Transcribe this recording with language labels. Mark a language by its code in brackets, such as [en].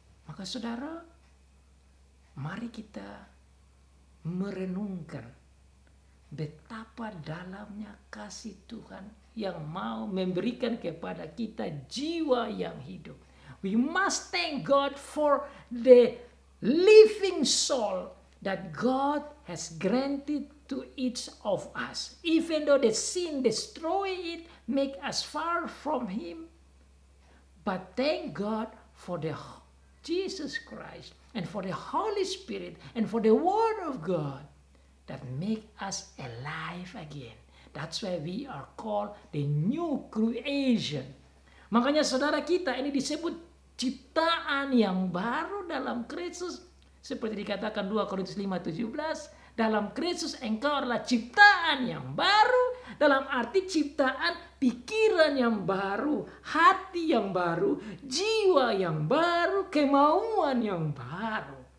[id] Maka saudara, mari kita merenungkan betapa dalamnya kasih Tuhan yang mau memberikan kepada kita jiwa yang hidup. [en] We must thank God for the living soul that God has granted to each of us. Even though the sin destroy it, make us far from Him, But thank God for the Jesus Christ and for the Holy Spirit and for the Word of God that make us alive again. That's why we are called the new creation. [id] Makanya saudara kita ini disebut ciptaan yang baru dalam Kristus. Seperti dikatakan 2 Korintus 5:17, dalam Kristus engkau adalah ciptaan yang baru, dalam arti ciptaan pikiran yang baru, hati yang baru, jiwa yang baru, kemauan yang baru.